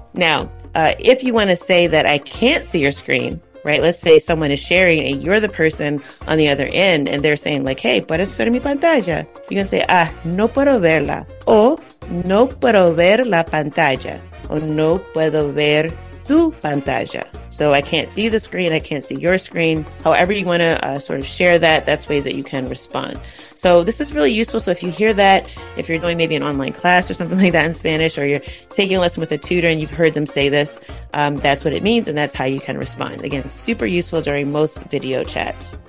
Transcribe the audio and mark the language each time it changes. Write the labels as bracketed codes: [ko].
[en] Now, if you want to say that I can't see your screen, right? Let's say someone is sharing and you're the person on the other end and they're saying like, hey, [es] ¿puedes ver mi pantalla? [en] You can say, ah, [es] no puedo verla. O no puedo ver la pantalla. O no puedo ver tu pantalla. [en] So I can't see the screen. I can't see your screen. However you want to sort of share that, that's ways that you can respond. So this is really useful. So if you hear that, if you're doing maybe an online class or something like that in Spanish, or you're taking a lesson with a tutor and you've heard them say this, that's what it means. And that's how you can respond. Again, super useful during most video chats.